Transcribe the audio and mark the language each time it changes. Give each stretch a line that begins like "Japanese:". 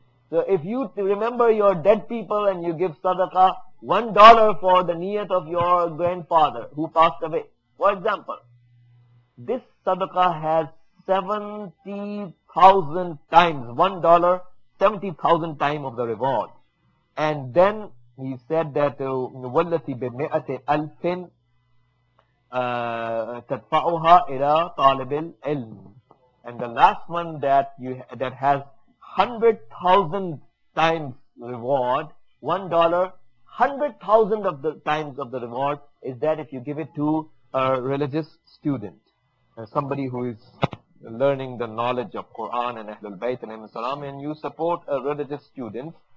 English: So if you remember your dead people and you give sadaqah, $1 for the niyat of your grandfather who passed away, for example, this sadaqah has 70,000 times, $1, 70,000 times of the reward. And then he said that,
Arabic: وَالَّتِي بِمِئَةِ أَلْفٍ تَدْفَعُهَا إِلَىٰ طَالِبِ الْعِلْمِ.
English: And the last one that has 100,000 times reward, $1, 100,000 of the times of the reward is that if you give it to a religious student, somebody who is learning the knowledge of Quran and Ahlul Bayt and Ahlul Salam, and you support a religious student.